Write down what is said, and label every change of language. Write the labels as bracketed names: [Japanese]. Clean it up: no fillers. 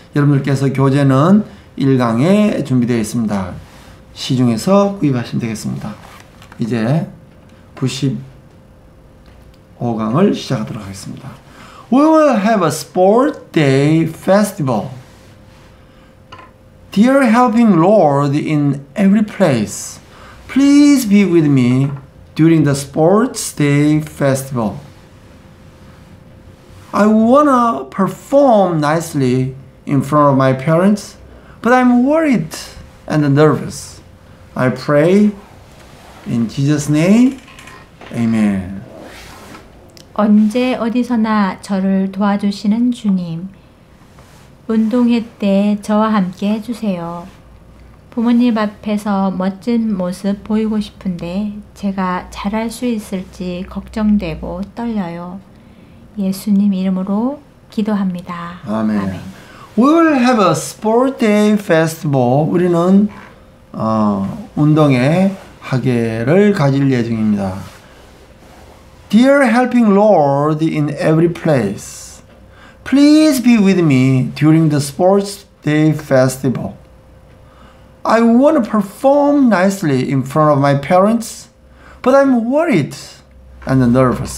[Korean] 여러분들께서 교재는 1강에 준비되어 있습니다. 시중에서 구입하시면 되겠습니다. 이제 95강을 시작하도록 하겠습니다. [English] We will have a sport day festival. Dear helping Lord in every place, please be with me during the sports day festival. I wanna perform nicely in front of my parents, but I'm worried and nervous. I pray in Jesus' name, Amen. [Korean] 언제 어디서나 저를 도와주시는 주님. 운동회 때 저와 함께 해주세요. 부모님 앞에서 멋진 모습 보이고 싶은데 제가 잘할 수 있을지 걱정되고 떨려요. 예수님 이름으로 기도합니다. [English] 아멘. We will have a sport day festival. [Korean] 우리는 운동회 하계를 가질 예정입니다. [English] Dear helping Lord in every place, please be with me during the sports day festival. I want to perform nicely in front of my parents, but I'm worried and nervous.